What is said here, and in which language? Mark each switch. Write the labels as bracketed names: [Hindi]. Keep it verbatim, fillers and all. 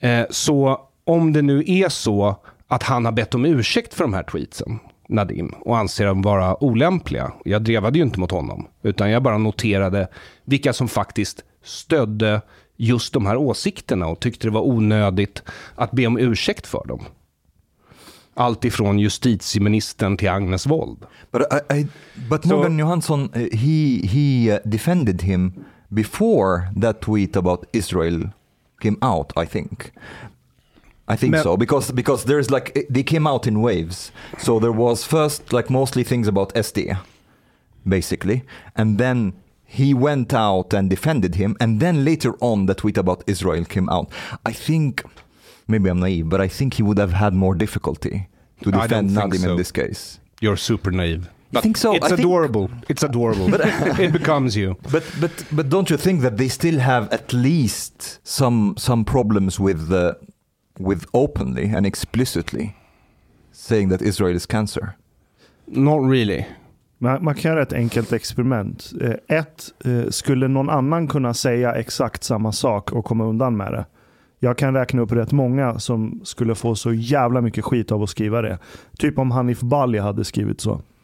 [Swedish] Så om det nu är så att han har bett om ursäkt för de här tweetsen, Nadim, och anser dem vara olämpliga. Jag drevade ju inte mot honom, utan jag bara noterade vilka som faktiskt stödde just de här åsikterna och tyckte det var onödigt att be om ursäkt för dem. Allt ifrån justitieministern till Agnes Wold. [English] But, I, I, but Morgan so, Johansson, he, he defended him before that tweet about Israel came out, I think. I think Men, so because because there's like they came out in waves. So there was first like mostly things about S D basically, and then he went out and defended him, and then later on the tweet about Israel came out. I think maybe I'm naive, but I think he would have had more difficulty to defend Nadim so. in this case. You're super naive. I think so. It's I adorable. Think... It's adorable. But, it becomes you. But but but don't you think that they still have at least some some problems with the with openly and explicitly saying that Israel is cancer? Not really. [Swedish] Man, man kan göra ett enkelt experiment. Eh, ett, eh, skulle någon annan kunna säga exakt samma sak och komma undan med det? Jag kan räkna upp rätt många som skulle få så jävla mycket skit av att skriva det. Typ om Hanif Bali hade skrivit så.